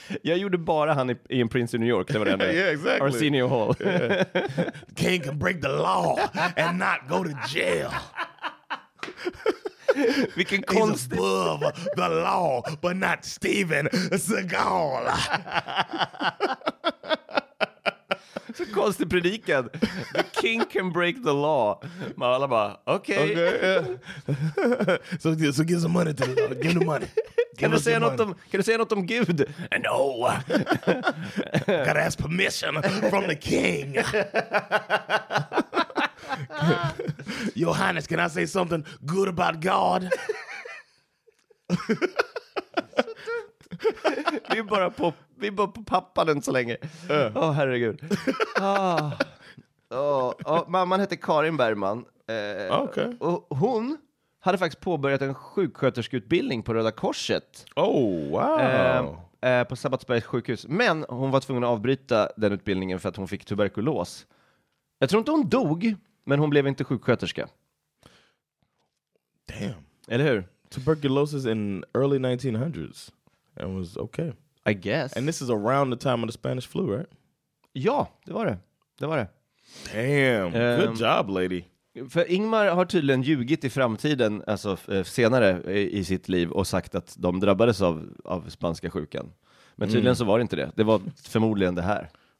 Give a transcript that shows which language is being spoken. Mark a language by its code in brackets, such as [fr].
[sv] Jag gjorde bara han i en Prince of New York. Det var det enda. [en] Yeah, exactly. Arsenio Hall. Yeah. The king can break the law and not go to jail. [sv] Vilken konst. [en] He's above the law, but not Steven Seagal. [sv] Så konstig predikan. [en] The king can break the law. [sv] Men alla bara, [en] okay. Yeah. So give some money to the law. Give the money. [sv] Kan du säga något om Gud? [en] No. Gotta ask permission from the king. Your Highness, can I say something good about God? [sv] Vi är bara på pappan än så länge. Åh, oh, herregud. Mamman heter Karin Bergman. [en] Okay. [sv] Och hon hade faktiskt påbörjat en sjuksköterskeutbildning på Röda Korset. [en] Oh, wow. [sv] På Sabbatsbergs sjukhus. Men hon var tvungen att avbryta den utbildningen för att hon fick tuberkulos. Jag tror inte hon dog, men hon blev inte sjuksköterska. [en] Damn. [sv] Eller hur? [en] Tuberculosis in early 1900s. It was okay. I guess. And this is around the time of the Spanish flu, right? [sv] Ja, det var det. Det var det. [en] Damn. Good job, lady. [sv] För Ingmar har tydligen ljugit i framtiden, alltså senare i sitt liv, och sagt att de drabbades av spanska sjukan. Men tydligen så var det inte det. Det var förmodligen det här.